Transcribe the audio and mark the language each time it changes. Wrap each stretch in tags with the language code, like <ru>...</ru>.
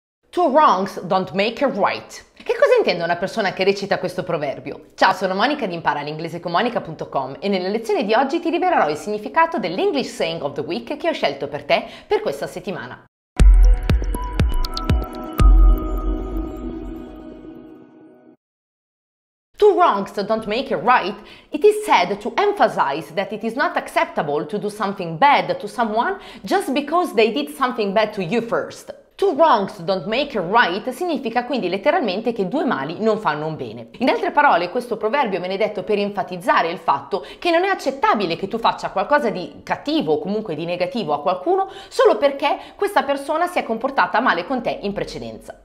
<en>Two wrongs don't make a right.</en> <it>Che cosa intende una persona che recita questo proverbio? Ciao, sono Monica di Impara l'inglese con monica.com e nella lezione di oggi ti rivelerò il significato dell'</it> <en>English saying of the week</en> <it>che ho scelto per te per questa settimana.</it> <en>Two wrongs don't make a right. It is said to emphasize that it is not acceptable to do something bad to someone just because they did something bad to you first. Two wrongs don't make a right</en> <it>significa quindi letteralmente che due mali non fanno un bene. In altre parole, questo proverbio viene detto per enfatizzare il fatto che non è accettabile che tu faccia qualcosa di cattivo o comunque di negativo a qualcuno solo perché questa persona si è comportata male con te in precedenza.</it>